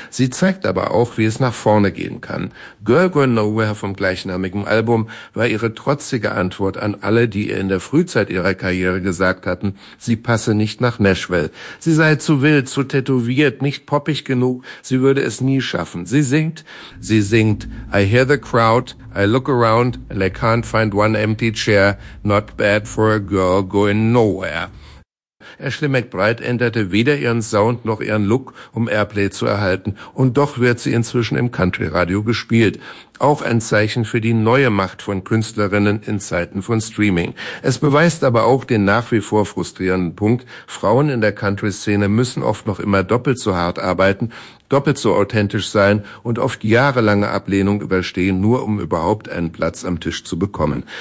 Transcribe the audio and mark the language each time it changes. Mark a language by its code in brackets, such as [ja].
[de] Sie zeigt aber auch, wie es nach vorne gehen kann. Girl Gone Nowhere vom gleichnamigen Album war ihre trotzige Antwort an alle, die ihr in der Frühzeit ihrer Karriere gesagt hatten, sie passe nicht nach Nashville. Sie sei zu wild, zu tätowiert, nicht poppig genug, sie würde es nie schaffen. Sie singt, [en] I hear the crowd, I look around and I can't find one empty chair, not bad for a girl going nowhere. [de] Ashley McBride änderte weder ihren Sound noch ihren Look, um Airplay zu erhalten, und doch wird sie inzwischen im Country-Radio gespielt. Auch ein Zeichen für die neue Macht von Künstlerinnen in Zeiten von Streaming. Es beweist aber auch den nach wie vor frustrierenden Punkt, Frauen in der Country-Szene müssen oft noch immer doppelt so hart arbeiten, doppelt so authentisch sein und oft jahrelange Ablehnung überstehen, nur um überhaupt einen Platz am Tisch zu bekommen.